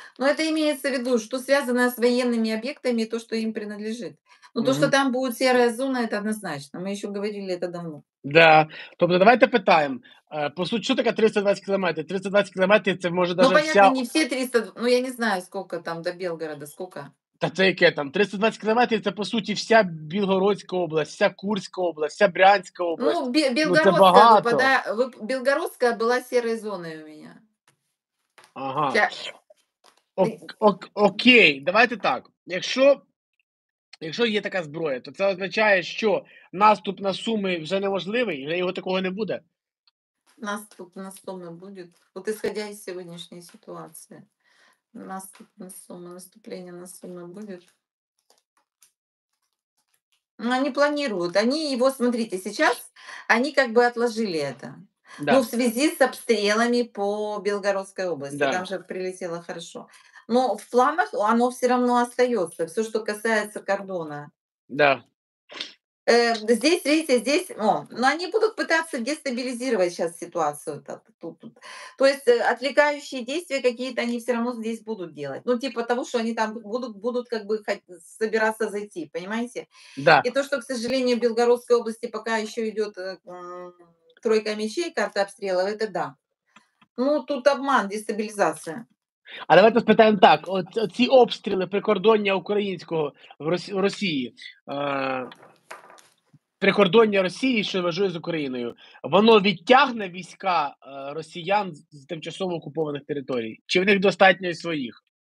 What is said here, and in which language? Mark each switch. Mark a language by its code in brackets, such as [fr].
[ru] Но это имеется в виду, что связано с военными объектами и то, что им принадлежит. Ну, то, что там будет серая зона, это однозначно. Мы еще говорили это давно. [uk] Да. Тобто, давайте питаем. [ru] По сути, что такое 320 километров? 320 километров, это может даже вся... Ну, понятно, не все 300... Ну, я не знаю, сколько там до Белгорода, сколько... [uk] Та це яке там? 320 кілометрів – це, по суті, вся Білгородська область, вся Курська область, вся Брянська область. Ну, Білгородська, ну, випадає... Білгородська була сірою зоною у мене. Ага. Окей, давайте так. Якщо є така зброя, то це означає, що наступ на Суми вже неможливий, вже його такого не буде? Наступ на Суми буде, от ісходя із сьогоднішньої ситуації. Наступ на Суми, [ru] наступление на Суми будет. Ну, они планируют. Они его, смотрите, сейчас они как бы отложили это. Да. Ну, в связи с обстрелами по Белгородской области. Да. Там же прилетело хорошо. Но в планах оно все равно остается. Все, что касается кордона. Да. Здесь, видите, здесь, о, ну, они будут пытаться дестабилизировать сейчас ситуацию. Тут. То есть отвлекающие действия какие-то они все равно здесь будут делать. Ну, типа того, что они там будут как бы собираться зайти, понимаете? Да. И то, что, к сожалению, в Белгородской области пока еще идет тройка мечей, карта обстрелов, это да. Ну, тут обман, дестабилизация. [uk] А давайте спитаємо так, ці обстріли прикордоння українського в Росії, прикордоння Росії, що важує з Україною, воно відтягне війська росіян з тимчасово окупованих територій? Чи в них достатньо і своїх?